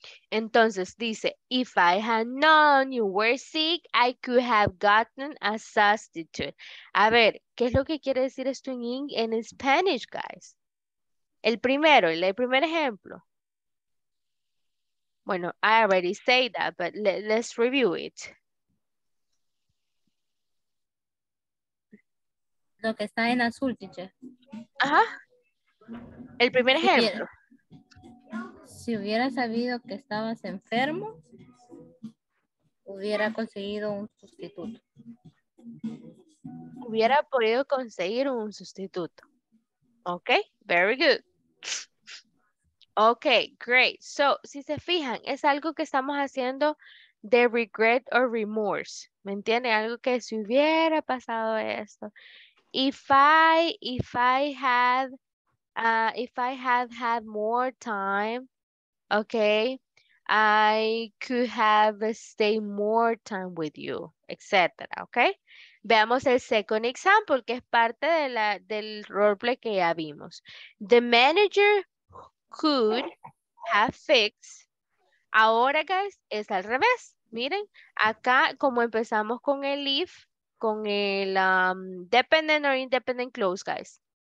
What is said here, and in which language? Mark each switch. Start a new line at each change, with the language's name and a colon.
Spanish: Entonces dice,
English: if I had known you were sick, I could have gotten a substitute.
Spanish: A ver, ¿qué es lo que quiere decir esto en Spanish, guys? El primero, el primer ejemplo.
English: Bueno, I already say that, but let's review it.
Spanish: Lo que está en azul, teacher. Ajá. El primer ejemplo. Si hubiera sabido que estabas enfermo, hubiera conseguido un sustituto. Hubiera podido conseguir un sustituto.
English: Ok, very good. Ok, great.
Spanish: So, si se fijan, es algo que estamos haciendo de
English: regret or remorse.
Spanish: ¿Me entiende? Algo que si hubiera pasado esto.
English: If I had more time, okay, I could have stayed more time with you, etc. Okay?
Spanish: Veamos el
English: second example,
Spanish: que es parte de la, del roleplay que ya vimos.
English: The manager could have fixed.
Spanish: Ahora, guys, es al revés. Miren, acá como empezamos con el if, con el
English: dependent or independent clause,
Spanish: guys.